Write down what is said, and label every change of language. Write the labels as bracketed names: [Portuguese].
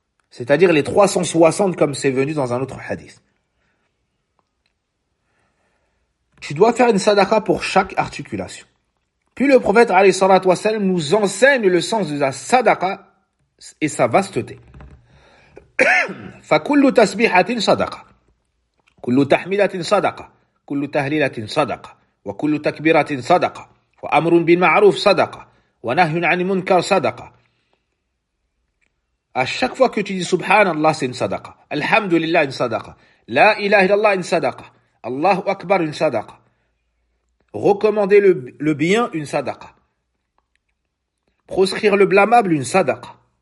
[French] C'est-à-dire les 360 comme c'est venu dans un autre hadith. Tu dois faire une sadaqa pour chaque articulation. Puis le prophète alayhi salatu wassalam nous enseigne le sens de la sadaqa et sa vasteté. [Arabic] فكل تسبيحة صدقة كل تحميلة صدقة كل تهليلة صدقة وكل تكبيرة صدقة وأمر بالمعروف صدقة ونهي عن المنكر صدقة. [French] À chaque fois que tu dis Subhanallah, c'est une sadaqa. Alhamdulillah, une sadaqa. La ilaha illallah, une sadaqa. Allahu Akbar, une sadaqa. Recommander le bien, une sadaqa. Proscrire le blâmable, une sadaqa.